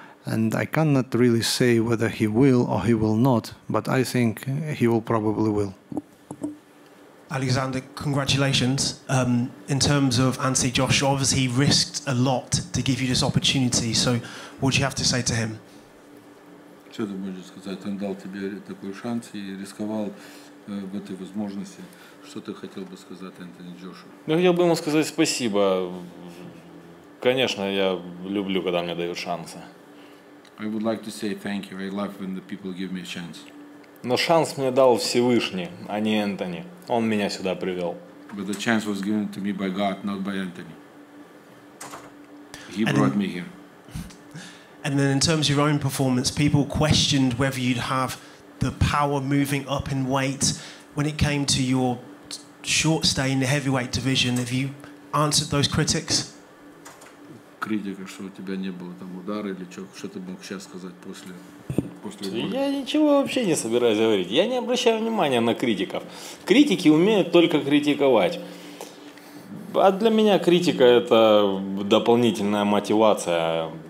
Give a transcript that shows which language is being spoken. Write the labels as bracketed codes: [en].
[en] And I cannot really say whether he will or he will not. But I think he will probably will. Alexander, congratulations. In terms of Anthony Joshua, obviously he risked a lot to give you this opportunity. So what do you have to say to him? [ru] Что ты можешь сказать? Он дал тебе такой шанс и рисковал в этой возможности. Что ты хотел бы сказать Anthony Joshua? Я хотел бы ему сказать спасибо. Конечно, я люблю, когда мне дают шансы. [en] I would like to say thank you. I love when the people give me a chance. [ru] Но шанс мне дал Всевышний, а не Энтони. Он меня сюда привел. [en] But the chance was given to me by God, not by Anthony. He brought me here. And then in terms of your own performance, people questioned whether you'd have the power moving up in weight when it came to your short stay in the heavyweight division. Have you answered those critics? [ru] Критика, что у тебя не было там удара или что ты мог сейчас сказать после... Я ничего вообще не собираюсь говорить. Я не обращаю внимания на критиков. Критики умеют только критиковать. А для меня критика – это дополнительная мотивация.